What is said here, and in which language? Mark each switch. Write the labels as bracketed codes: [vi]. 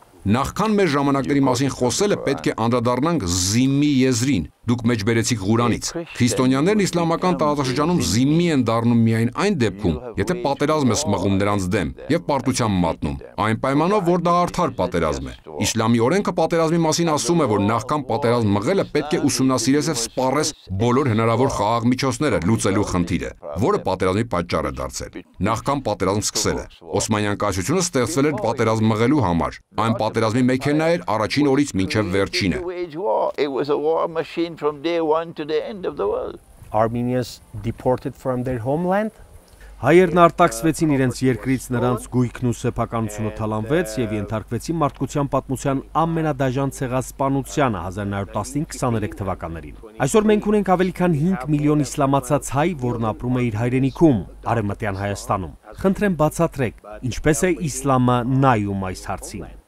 [hy] Նախքան մեր ժամանակների մասին խոսելը պետք է անդրադառնանք զիմմի եզրին։ Դուք մեջբերեցիք Ղուրանից։ Քրիստոնյաներն իսլամական տարածաշրջանում զիմմի են դառնում միայն այն դեպքում, եթե պատերազմ է սմղում նրանց դեմ եւ պարտության մատնում։ Այն պայմանով, որ դա արդար պատերազմ է։ Իսլամի օրենքը պատերազմի մասին ասում է, որ նախքան պատերազմ մղելը պետք է ուսումնասիրես եւ սպառես բոլոր հնարավոր խաղաղ միջոցները լուծելու խնդիրը, որը պատերազմի պատճառը դարձել։ Նախքան պատերազմ սկսել է, Օսմանյան կայսրությունը ստեղծվել էր պատերազմ մղելու համար։ Այն պատերազմի մեքենա էր առաջին օրից մինչև վերջինը։ [en] From day one to the end of the world. Armenians deported from their homeland. [hy] Հայերն արտաքսվեցին իրենց երկրից, նրանց գույքն ու սեփականությունը թալանվեց եւ ենթարկվեցին մարդկության պատմության ամենադաժան ցեղասպանությանը 1915-23 թվականներին։ Այսօր մենք ունենք ավելի քան 5 միլիոն իսլամացած հայ, որն ապրում է իր հայրենիքում, Արևմտյան Հայաստանում։ Խնդրեմ բացատրեք, ինչպես է իսլամը նայում այս հարցին։